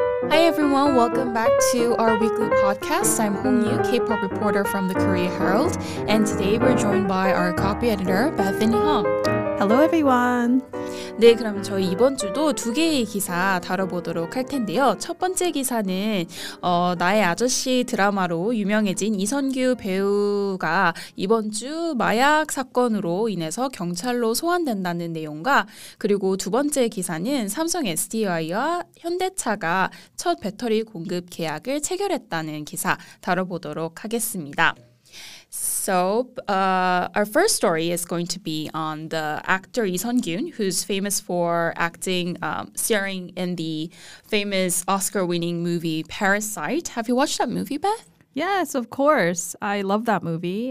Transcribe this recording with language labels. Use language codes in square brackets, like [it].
[en] Hey everyone, welcome back to our weekly podcast. I'm Hong Yu, K-pop reporter from the Korea Herald, and today we're joined by our copy editor, Bethany Hong. Hello everyone. [ko] 네, 그럼 저희 이번 주도 두 개의 기사 다뤄보도록 할 텐데요. 첫 번째 기사는 나의 아저씨 드라마로 유명해진 이선규 배우가 이번 주 마약 사건으로 인해서 경찰로 소환된다는 내용과 그리고 두 번째 기사는 삼성 SDI와 현대차가 첫 배터리 공급 계약을 체결했다는 기사 다뤄보도록 하겠습니다. [en] So our first story is going to be on the actor Lee Sun-kyun, who's famous for acting, starring in the famous Oscar-winning movie Parasite. Have you watched that movie, Beth? Yes, of course. I love that movie.